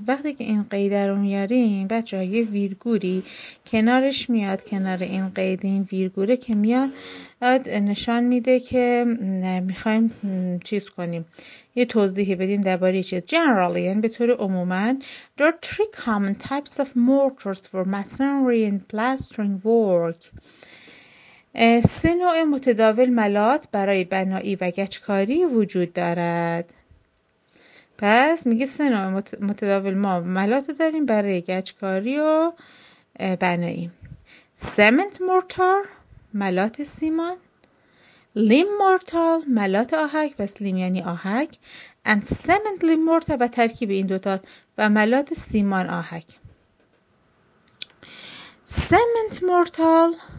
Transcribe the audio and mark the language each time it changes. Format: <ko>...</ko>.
<fa>وقتی که این قیده رو میاریم بچه های ویرگوری کنارش میاد، کنار این قیده این ویرگوره که میاد نشان میده که میخواییم چیز کنیم، یه توضیحی بدیم درباره چیه. جنرالی یعنی به طور عمومن.</fa> <en>There are three common types of mortars for masonry and plastering work.</en> <fa>سه نوع متداول ملات برای بنایی و گچکاری وجود دارد. پس میگه سه نوع متداول ما ملات داریم برای گچکاری و بنایی. سمنت مورتار ملات سیمان، لیم مورتال ملات آهک، پس لیم یعنی آهک، اند سمنت لیم مورتار و ترکیب این دوتا و ملات سیمان آهک. سمنت مورتال</fa>